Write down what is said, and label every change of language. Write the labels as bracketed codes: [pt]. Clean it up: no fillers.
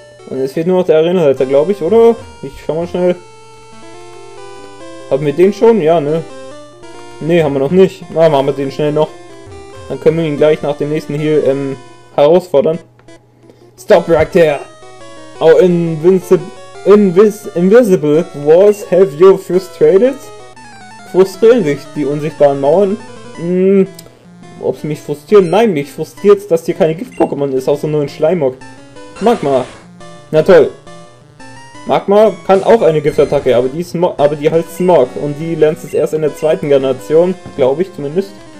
[de] Und es fehlt nur noch der Arena-Leiter, glaube ich, oder? Ich schau mal schnell. Haben wir den schon? Ja, ne? Ne, haben wir noch nicht. Na, machen wir den schnell noch. Dann können wir ihn gleich nach dem nächsten hier herausfordern. [en] Stop right there! Oh, Invisible Walls have you frustrated? [de] Frustrieren sich die unsichtbaren Mauern? Ob sie mich frustrieren? Nein, mich frustriert, dass hier keine Gift-Pokémon ist, außer nur ein Schleimog. Magma! Na toll! Magma kann auch eine Giftattacke, aber die heißt Smog und die lernst du erst in der zweiten Generation, glaube ich zumindest.